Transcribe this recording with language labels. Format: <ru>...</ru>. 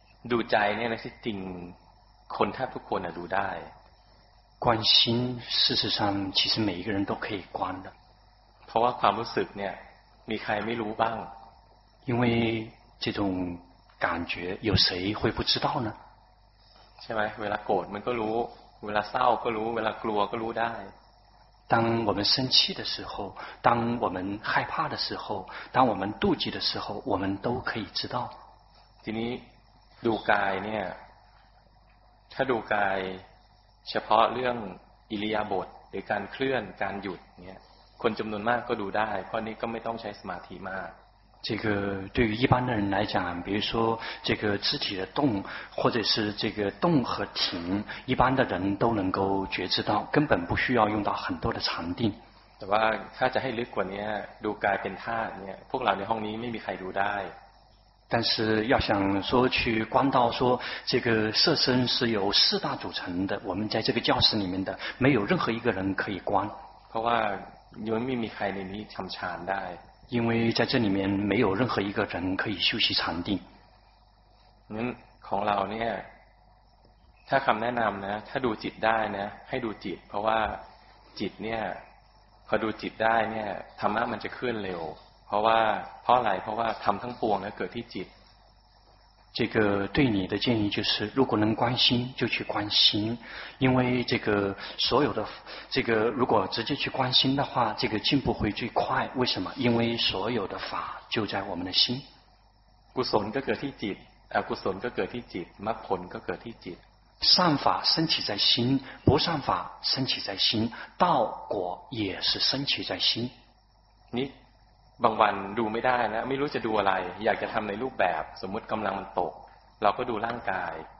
<th>ดูใจเนี่ยนะที่จริงคนแทบทุกคนน่ะดูได้</th> <zh>观心，事实上，其实每一个人都可以观的。</zh> <th>เพราะว่าความรู้สึกเนี่ยมีใครไม่รู้บ้าง？</th> <zh>因为这种感觉，有谁会不知道呢？</zh> <th>ใช่ไหมเวลาโกรธมันก็รู้เวลาเศร้าก็รู้เวลากลัวก็รู้ได้。</th> <zh>当我们生气的时候，当我们害怕的时候，当我们妒忌的时候，我们都可以知道。</zh> <th>ทีนี้ดูกายเนี่ยถ้าดูกายเฉพาะเรื่องอิริยาบถหรือการเคลื่อนการหยุดเนี่ยคนจำนวนมากก็ดูได้เพราะนี้ก็ไม่ต้องใช้สมาธิมาก</th> <zh>这个对于一般的人来讲，比如说这个肢体的动，或者是这个动和停，一般的人都能够觉知到，根本不需要用到很多的禅定。</zh> <th>แต่ว่าถ้าจะให้ลึกกว่านี้ดูกายเป็นธาตุเนี่ยพวกเราในห้องนี้ไม่มีใครดูได้</th> <zh>但是要想说去观到说这个色身是由四大组成的，我们在这个教室里面的没有任何一个人可以观。</zh> <th>เพราะว่าโยมไม่มีใครในนี้ทำฌานได้。</th> <zh>因为在这里面没有任何一个人可以休息禅定。</zh> <th>นั้นของเราเนี่ยถ้าคำแนะนำนะถ้าดูจิตได้นะให้ดูจิตเพราะว่าจิตเนี่ยพอดูจิตได้เนี่ยธรรมะมันจะเคลื่อนเร็วเพราะว่าเพราะอะไรเพราะว่าทำทั้งปวงแล้วเกิดที่จิต</th> <zh>这个对你的建议就是如果能关心就去关心因为这个所有的这个如果直接去关心的话这个进步会最快为什么因为所有的法就在我们的心</zh> <th>กุศลก็เกิดที่จิตกุศลก็เกิดที่จิตมรรคผลก็เกิดที่จิต</th> <zh>善法升起在心不善法升起在心道果也是升起在心你</zh> <th>บางวันดูไม่ได้นะไม่รู้จะดูอะไรอยากจะทำในรูปแบบสมมติกำลังมันตกเราก็ดูร่างกาย</th>